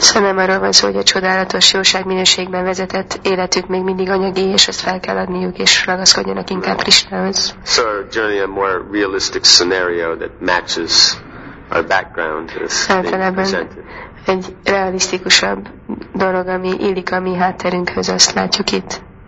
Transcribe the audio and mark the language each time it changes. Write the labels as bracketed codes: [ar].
[hu] Szerintem arról van szó, hogy a csodálatos jóság minőségben vezetett életük még mindig anyagi, és ezt fel kell adniuk, és ragaszkodjanak inkább Krishnához. [en] So, journey a more realistic scenario that matches our background is presented. [hu] Egy realisztikusabb dolog, ami illik a mi hátterünkhöz, azt látjuk itt.